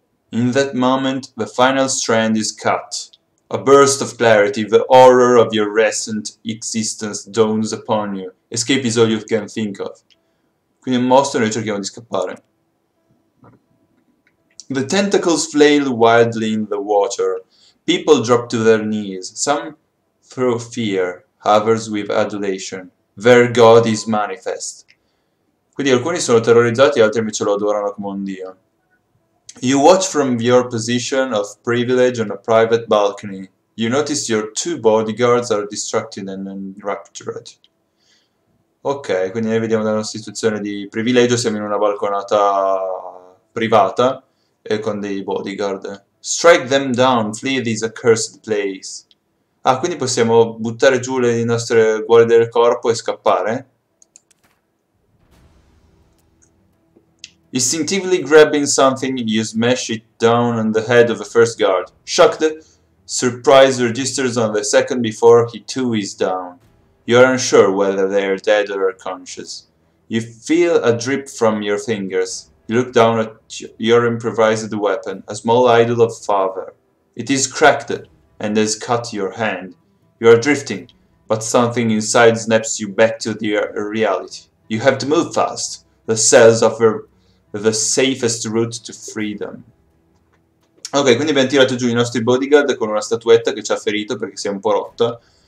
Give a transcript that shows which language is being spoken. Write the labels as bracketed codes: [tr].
[en] In that moment, the final strand is cut. A burst of clarity, the horror of your recent existence dawns upon you. Escape is all you can think of. [it] Quindi un mostro e noi cerchiamo di scappare. [en] The tentacles flail wildly in the water. People drop to their knees. Some throw fear, others with adulation. Their God is manifest. [it] Quindi alcuni sono terrorizzati, altri invece lo adorano come un dio. [en] You watch from your position of privilege on a private balcony. You notice your two bodyguards are distracted and enraptured. [it] Ok, quindi noi vediamo da una situazione di privilegio, siamo in una balconata privata e con dei bodyguard. [en] Strike them down, flee this accursed place. [it] Ah, quindi possiamo buttare giù le nostre guardie del corpo e scappare? [en] Instinctively grabbing something, you smash it down on the head of the first guard. Shocked, surprise registers on the second before he too is down. You are unsure whether they are dead or conscious. You feel a drip from your fingers. You look down at your improvised weapon, a small idol of father. It is cracked and has cut your hand. You are drifting, but something inside snaps you back to the reality. You have to move fast. The cells offer the safest route to freedom. [it] Ok, quindi abbiamo tirato giù i nostri bodyguard con una statuetta che ci ha ferito perché si è un po' rotta.